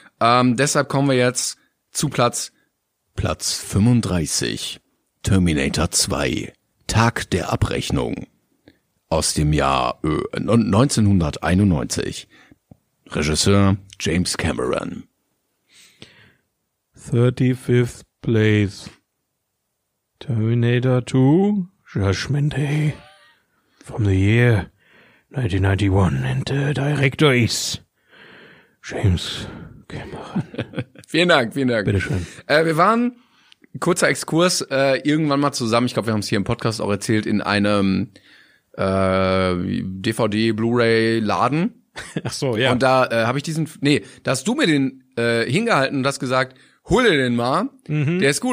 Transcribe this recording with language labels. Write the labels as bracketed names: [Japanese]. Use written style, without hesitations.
[German] Deshalb kommen wir jetzt zu Platz 35, Terminator 2, Tag der Abrechnung, aus dem Jahr 1991, Regisseur James Cameron. [English] 35th Place. Terminator 2, Judgment Day, from the year 1991, and the director is James Cameron. [German] Vielen Dank. Bitteschön. Wir waren, kurzer Exkurs, irgendwann mal zusammen, ich glaube, wir haben es hier im Podcast auch erzählt, in einem DVD-Blu-Ray-Laden. Ach so, ja. Und da habe ich da hast du mir den hingehalten und hast gesagt, hol dir den mal, der ist gut.